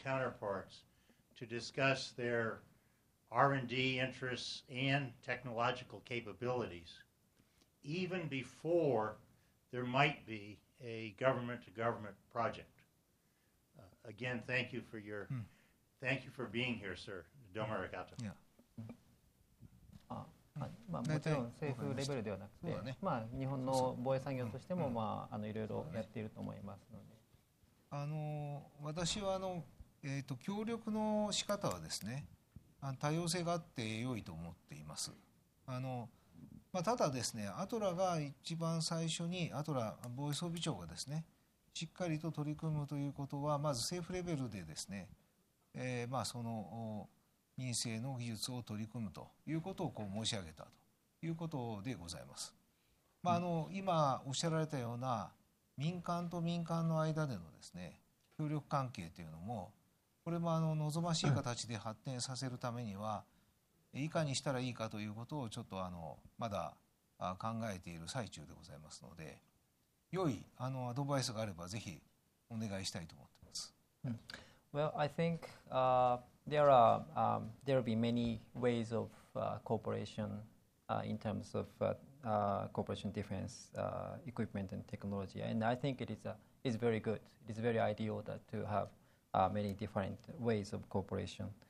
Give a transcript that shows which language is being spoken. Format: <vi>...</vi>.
<en>counterparts, to discuss their R&D interests and technological capabilities, even before there might be a government-to-government project? Again, thank you for your, thank you for being here, sir.</en> <ja>Domo arigato. Yeah. まあ、もちろん政府レベルではなくて、まあ、日本の防衛産業としても、まあ、あの、いろいろやっていると思いますので。あの私はあの、協力の仕方はですね、あの多様性があって良いと思っています。あの、まあ、ただですね、アトラが一番最初にアトラ防衛装備庁がですね、しっかりと取り組むということはまず政府レベルでですね、まあ、その民生の技術を取り組むということをこう申し上げたということでございます。まあ、あの今おっしゃられたような民間と民間の間でのですね、協力関係というのも、これもあの望ましい形で発展させるためには、いかにしたらいいかということをちょっとあのまだ考えている最中でございますので、良いあのアドバイスがあればぜひお願いしたいと思っています。</ja> <en>Well, I think there will be many ways of cooperation in terms of cooperation defense equipment and technology, and I think it is is very good. It is very ideal that to have many different ways of cooperation.</en>